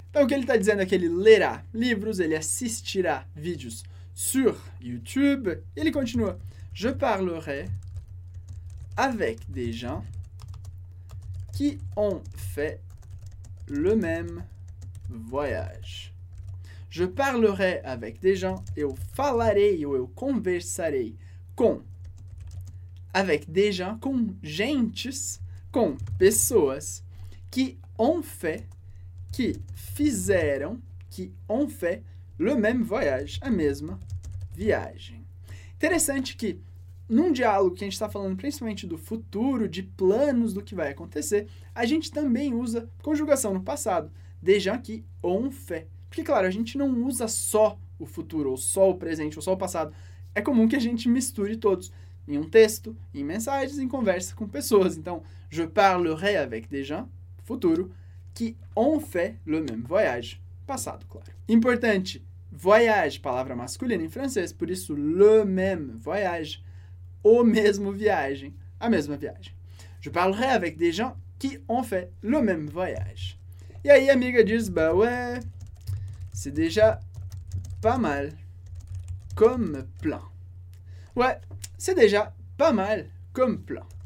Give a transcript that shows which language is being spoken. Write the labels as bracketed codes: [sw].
[pt] Então, o que ele está dizendo é que ele lerá livros, ele assistirá vídeos sur YouTube, e ele continua, [fr] je parlerai avec des gens qui ont fait le même voyage. Je parlerai avec des gens, [pt] eu falarei ou eu conversarei com, [fr] avec des gens, [pt] com gentes, com pessoas [fr] qui ont fait, [pt] que fizeram, que [fr] ont fait le même voyage, [pt] a mesma viagem. Interessante que num diálogo que a gente está falando principalmente do futuro, de planos do que vai acontecer, a gente também usa conjugação no passado, [fr] déjà qui ont fait. [pt] Porque, claro, a gente não usa só o futuro, ou só o presente, ou só o passado. É comum que a gente misture todos em um texto, em mensagens, em conversa com pessoas. Então, [fr] je parlerai avec des gens, [pt] futuro, [fr] qui ont fait le même voyage, [pt] passado, claro. Importante, voyage, palavra masculina em francês, por isso [fr] le même voyage, [pt] o mesmo viagem, a mesma viagem. [fr] Je parlerai avec des gens qui ont fait le même voyage. [pt] E aí a amiga diz, [fr] bah ouais, c'est déjà pas mal comme plan. Ouais, c'est déjà pas mal comme plan.